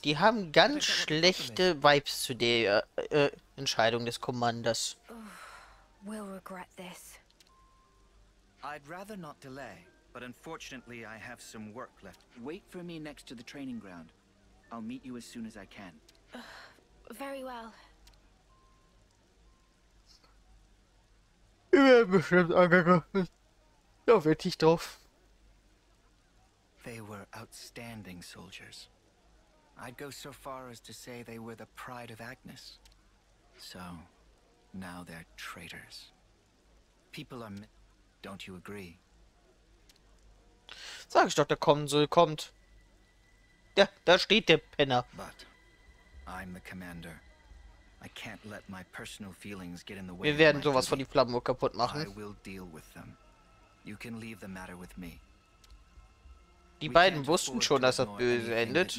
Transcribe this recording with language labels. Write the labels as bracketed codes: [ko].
[de] Die haben ganz schlechte Vibes zu der Entscheidung des Commanders. [en] Oh, we'll regret this. I'd rather not delay, but unfortunately I have some work left. Wait for me next to the training ground. I'll meet you as soon as I can. Very well. [de] Ich werde bestimmt angegriffen. Da werde ich drauf. [en] They were outstanding soldiers. I'd go so far as to say they were the pride of Agnes. So, now they're traitors. People are... Don't you agree? [de] Sag ich doch, der Konsul kommt. Ja, da steht der Penner. [en] But I'm the commander. I can't let my personal feelings get in the way. [de] Wir werden sowas von die Flammen wohl kaputt machen. [en] I will deal with them. You can leave the matter with me. [de] Die beiden wussten schon, dass das Böse endet.